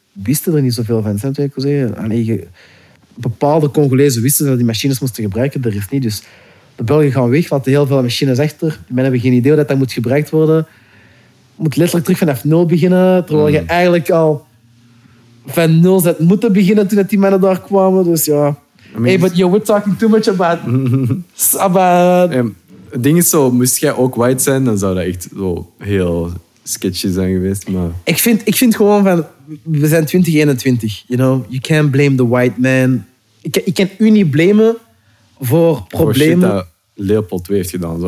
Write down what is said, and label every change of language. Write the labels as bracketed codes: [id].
[nl] wisten er niet zoveel van. Snap je, ik wil zeggen. Allee, bepaalde Congolezen wisten dat die machines moesten gebruiken, de rest niet. Dus De Belgen gaan weg, want er heel veel machines achter. Die mensen hebben geen idee dat dat moet gebruikt worden. Je moet letterlijk terug vanaf nul beginnen. Terwijl je eigenlijk al van nul zet moeten beginnen toen die mannen daar kwamen. Dus ja. [en] Hey, but you were talking too much about... [nl] Het ding is zo, moest jij ook white zijn, dan zou dat echt zo heel sketchy zijn geweest. Maar... Ik vind gewoon van... We zijn 2021, [en] you know. You can't blame the white man. [nl] Ik kan u niet blamen voor problemen. Voor shit dat Leopold 2 heeft gedaan. Zo.